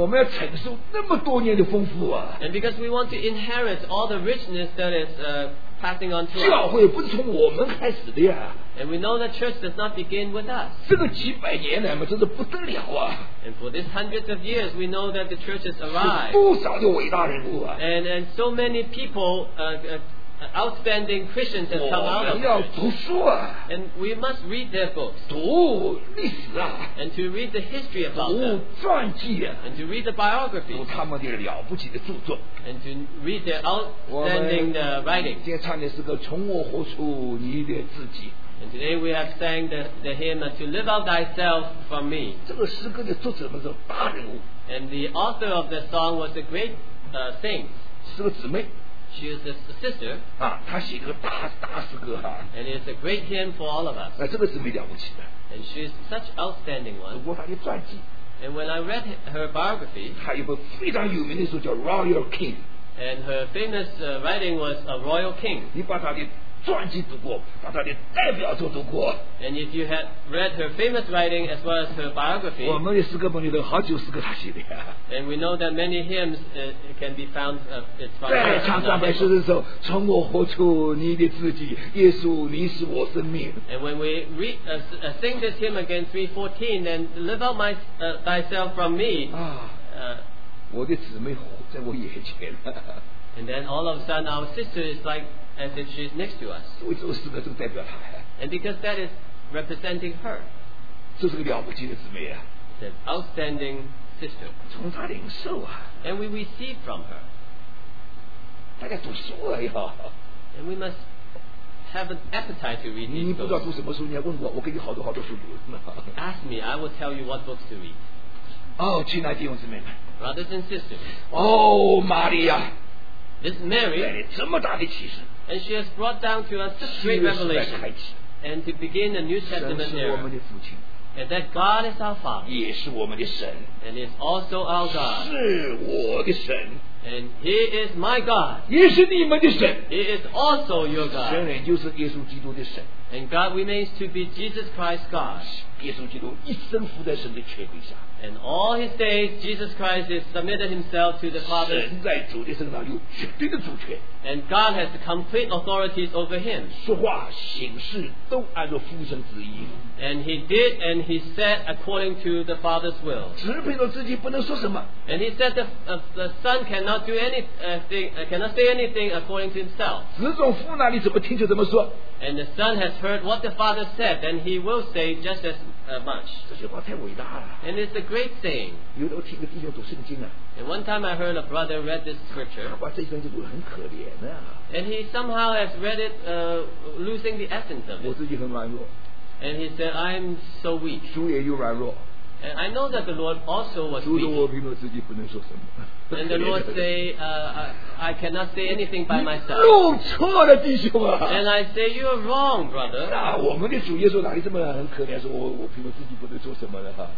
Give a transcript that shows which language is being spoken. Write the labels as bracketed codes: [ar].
[zh] 我们要承受那么多年的丰富啊 [en] and because we want to inherit all the richness that is passing on to us [zh] 教会不是从我们开始的呀 [en] and we know that church does not begin with us [zh] 这个几百年来嘛真是不得了啊 [en] and for these hundreds of years we know that the church has arrived [zh] 是不少的伟大人物啊 [en] and so many peoplewoutstanding Christians have come out of the church. And we must read their books. [zh] 读历史啊, [en] and to read the history about them. [zh] 读传记啊, [en] and to read the biographies. [zh] 读他们的了不起的著作, [en] and to read their outstanding writings. [zh] 今天唱的诗歌, 从我活出你的自己。 [en] And today we have sang the hymn, To Live Out Thyself From Me. [zh] 这个诗歌的作者们是大人物。 [en] And the author of the song was a great saint. [zh] 是个姊妹。 [en] She is a sister. [zh] 啊，她写个大大诗歌哈。 [en] And it's a great hymn for all of us. [zh] 那这个姊妹了不起的。 [en] And she's such outstanding one. [zh] 读过她的传记。 [en] And when I read her biography, [zh] 她有本非常有名的书叫《Royal King》。 [en] And her famous writing was A Royal King. [zh] 你把她的传记读过，把她的代表作读过。 [en] And if you had read her famous writing as well as her biography, [zh] 我们的诗歌本里头好几首诗歌她写的呀。 [en] And we know that many hymns can be found as far as [zh] 在唱赞美诗的时候，从我活出你的自己，耶稣，你是我生命。 [en] And when we read sing this hymn again 3:14, then live out my thyself from me. [zh] 我的姊妹在我眼前。 [en] And then all of a sudden, our sister is like as if she's next to us. [zh] 为什么诗歌这么代表她？ [en] And because that is representing her. [zh] 这是个了不起的姊妹啊。 [en] It's an outstanding. Sister. [zh] 从她领受啊 [en] and we receive from her [zh] 大家读书啊要 [en] and we must have an appetite to read [zh] 你不知道读什么书你要问我我给你好多好多书读 [en] ask me I will tell you what books to read [zh] 哦亲爱的弟兄姊妹们 [en] brothers and sisters [zh] 哦玛利亚 [en] this Mary [zh] 带着这么大的启示 [en] and she has brought down to us this great revelation [zh] 启示来开启 [en] and to begin a new testament era [zh] 神是我们的父亲 [en] And that God is our Father. [zh] 也是我们的神。 [en] And is also our God. [zh] 是我的神。 [en] And he is my God. [zh] 也是你们的神。 [en] He is also your God. [zh] 神人就是耶稣基督的神。 [en] And God remains to be Jesus Christ's God. [zh] 耶稣基督一生伏在神的权柄下。 [en] And all his days, Jesus Christ has submitted himself to the Father. [zh] 神在主的身上有绝对的主权。 [en] And God has complete authorities over him. [zh] 说话、行事都按照父神旨意。 [en] And he did and he said according to the Father's will. [zh] 只凭着自己不能说什么。 [en] And he said the Son cannot do anything, cannot say anything according to himself. [zh] 只从父那里怎么听就怎么说。 [en] And the Son has heard what the Father said, then he will say just as much. [zh] 这句话太伟大了。 [en] And it's a great thing. [zh] 有的我听个弟兄读圣经啊。 [en] And one time I heard a brother read this scripture. [zh] 哇，这一段就读得很可怜啊。 [en] And he somehow has read it, losing the essence of it. [zh] 我自己很软弱。 [en] And he said, I'm so weak. [zh] 主也有软弱。 [en] And I know that the Lord also was weak. [zh] 主说我凭着自己不能说什么。 [en] And the Lord say, I cannot say anything by myself. [zh] 弄错了弟兄啊。 [en] And I say, you are wrong, brother. [zh] 那我们的主耶稣哪里这么很可怜，说我凭着自己不能做什么的哈。